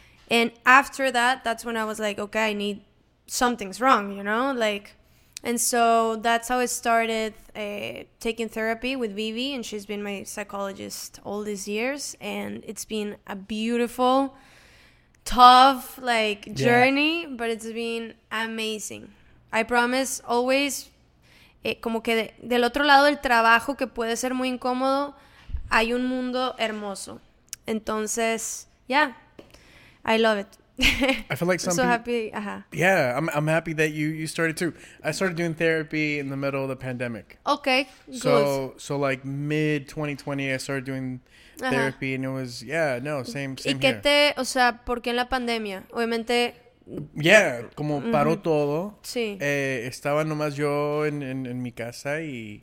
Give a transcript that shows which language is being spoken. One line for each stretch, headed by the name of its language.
English: And after that, that's when I was like, okay, I need, something's wrong, you know? Like, and so that's how I started taking therapy with Vivi, and she's been my psychologist all these years. And it's been a beautiful, tough, like, journey, but it's been amazing. I promise always,
Spanish: como que del otro lado del trabajo, que puede ser muy incómodo, hay un mundo hermoso. Entonces,
English: yeah. I love it. I feel like something. So happy. Yeah, I'm happy that you started too. I started doing therapy in the middle of the pandemic. Okay, so, good. So like mid 2020, I started doing therapy, and it was same here.
Spanish: ¿Y qué te, o sea, por qué en la pandemia? Obviamente. Yeah, como paró todo. Sí. Estaba nomás yo en mi casa y.